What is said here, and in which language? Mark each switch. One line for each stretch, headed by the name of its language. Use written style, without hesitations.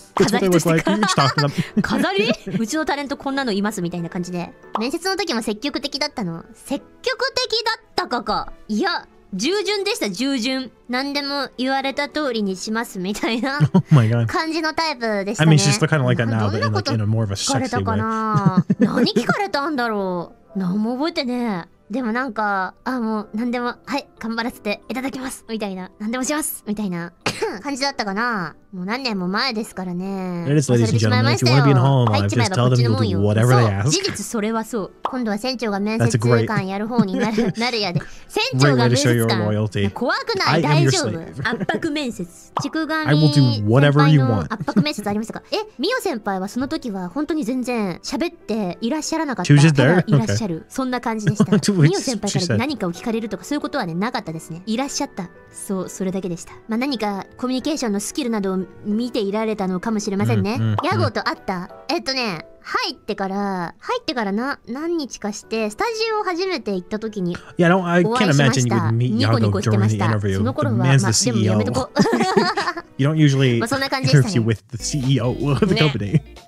Japanese: 飾りとしてか。飾り？うちのタレントこんなのいますみたいな感じで。面接の時も積極的だったの。積極的だったかか。いや、従順でした、従順。何でも言われた通りにしますみたいな感じのタイプでしたね。
English: I mean, she's still kind of like that now, but in, like, in a more of a sexy way.
Japanese: 聞かれたかな。何聞かれたんだろう。何も覚えてねえ。でもなんか、あ、もう何でも、はい、頑張らせていただきますみたいな、何でもしますみたいな感じだったかな。もう何年も前ですからね。
English: It is, ladies and gentlemen, if you want to be in Hololive, just tell them you'll do whatever they ask.
Japanese: 事実それはそう。今度は船長が面接官やる方になる、なるやで。船長が面接官。怖くない、大丈夫。圧迫面接。ちくがみ先輩の圧迫面接ありましたか。え、ミオ先輩はその時は本当に全然喋っていらっしゃらなかった。ただいらっしゃる。そんな感じでした。ミオ先輩から何かを聞かれるとかそういうことはね、なかったですね。いらっしゃった。そう、それだけでした。まあ何かコミュニケーションのスキルなどを見ていられたのかもしれませんね。ヤゴと会った。入ってから何日かして、スタジオを初めて行った時に、お会いしました。ニコニコしてました。その頃は、まあ、でもやめとこう。
English: You don't usually interview with the CEO of the company.